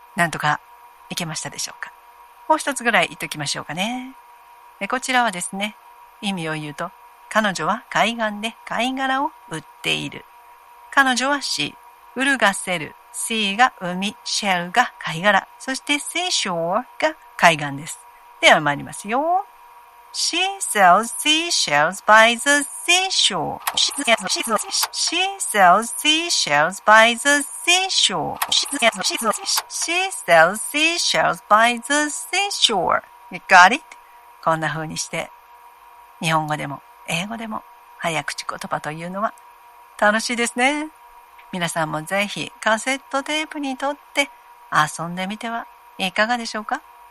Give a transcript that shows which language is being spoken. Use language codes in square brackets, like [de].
[ja] なんとかいけましたでしょうか。もう一つぐらい言っておきましょうかね。こちらはですね、意味を言うと、彼女は海岸で貝殻を売っている。彼女は死、売るがせる。 sea が海、shell が貝殻、そして seashore が海岸です。では参りますよ。 [en] She sells seashells by the seashore.She sells seashells by the seashore.She sells seashells by the seashore.You got it? [ja] こんな風にして、日本語でも英語でも早口言葉というのは楽しいですね。皆さんもぜひカセットテープにとって遊んでみてはいかがでしょうか。